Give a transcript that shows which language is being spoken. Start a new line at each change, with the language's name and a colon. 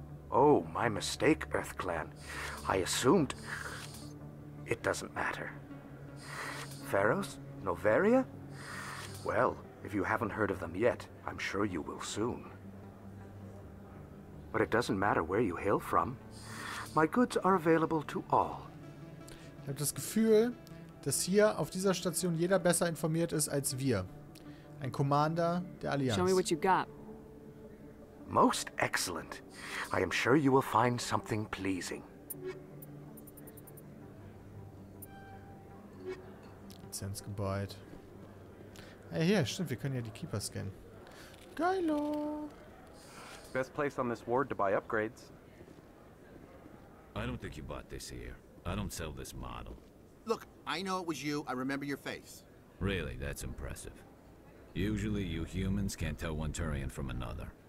English: Oh, my mistake, Earth Clan. I assumed... It doesn't matter. Pharos? Novaria? Well, if you haven't heard of them yet, I'm sure you will soon. But it doesn't matter where you hail from. My goods are available to all.
German: Ich habe das Gefühl, dass hier auf dieser Station jeder besser informiert ist als wir. Ein Commander der Allianz.
English: Show me what you got. Most excellent. I am sure you will find something pleasing.
German: Lizenzgebäude. Ja, hier, stimmt, wir können ja die Keeper scannen. Geilo!
English: Best place on this ward to buy upgrades. I don't think you bought this here. I don't sell this model. Look, I know it was you. I remember your face. Really, that's impressive. Usually you humans can't tell one Turian from another.